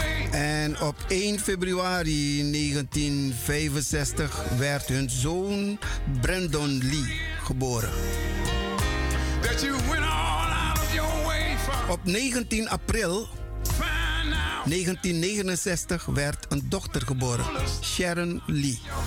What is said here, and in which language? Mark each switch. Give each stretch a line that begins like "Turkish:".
Dutch: En op 1 februari 1965 werd hun zoon Brandon Lee geboren.
English: That you went all out of your way for...
Dutch: Op 19 april 1969 werd een dochter geboren, Sharon Lee.